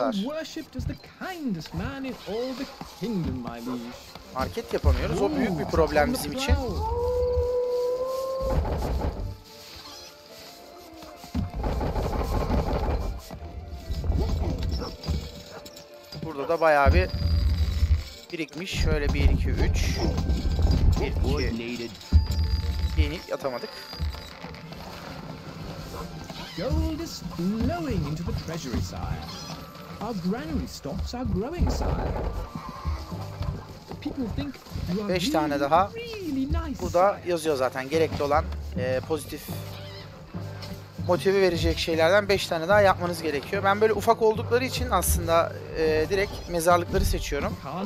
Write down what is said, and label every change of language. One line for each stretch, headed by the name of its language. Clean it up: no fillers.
English: You are worshipped as the kindest man in all the kingdom, my liege.
Turkish: Market yapamıyoruz. O büyük bir problem bizim için. Burada da bayağı bir birikmiş. Şöyle 1 2 3.
English: Wood needed.
Turkish: Yeni yatamadık.
English: Gold is flowing into the treasury, sire. Our granary stocks are growing, sire. People think you are
Turkish: 5 tane daha. Burada yazıyor zaten gerekli olan pozitif motive verecek şeylerden 5 tane daha yapmanız gerekiyor. Ben böyle ufak oldukları için aslında direkt mezarlıkları seçiyorum.